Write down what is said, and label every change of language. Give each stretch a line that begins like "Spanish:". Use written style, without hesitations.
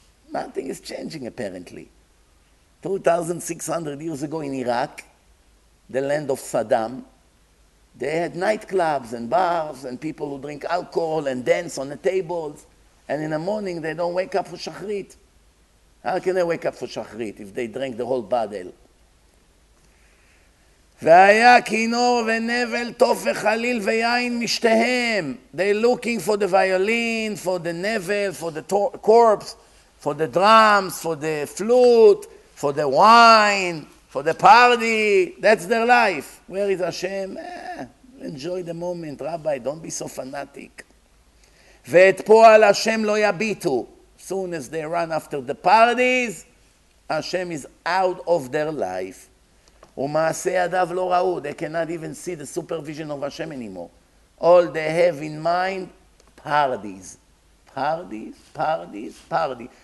English: Nothing is changing, apparently. 2,600 years ago in Iraq, the land of Saddam, they had nightclubs and bars and people who drink alcohol and dance on the tables. And in the morning, they don't wake up for Shachrit. How can they wake up for Shachrit if they drink the whole bottle?
Hebrew: והיה כינור ונבל תוף וחליל ויין משתיהם.
English: They're looking for the violin, for the nevel, for the corpse, for the drums, for the flute, for the wine, for the party. That's their life. Where is Hashem? Enjoy the moment, Rabbi. Don't be so fanatic.
Hebrew: ואת פועל Hashem לא יביטו.
English: Soon as they run after the parties, Hashem is out of their life.
Hebrew: ומעשה ידיו לא ראו.
English: They cannot even see the supervision of Hashem anymore. All they have in mind, parties. Parties, parties, parties.